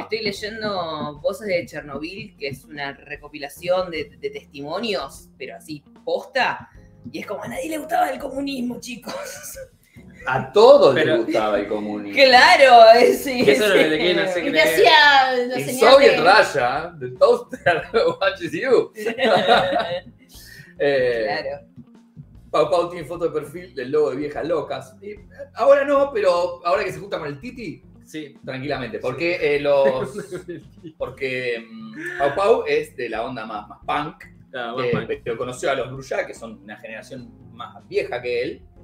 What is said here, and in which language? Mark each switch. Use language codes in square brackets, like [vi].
[es] Estoy leyendo Voces de Chernobyl, que es una recopilación de testimonios, pero así, posta. Y es como, a nadie le gustaba el comunismo, chicos. A todos les gustaba el comunismo. Claro, sí. Eso es lo que le quieren hacer creer. Y hacía... [en] En Soviet Russia, the toaster watches you. [es] Claro. Pau Pau tiene foto de perfil del logo de Viejas Locas. Y ahora no, pero ahora que se junta con el Titi, sí, tranquilamente. Porque sí. Porque Pau Pau es de la onda más punk. Ah, más punk. Pero conoció a los Bruja, que son una generación más vieja que él.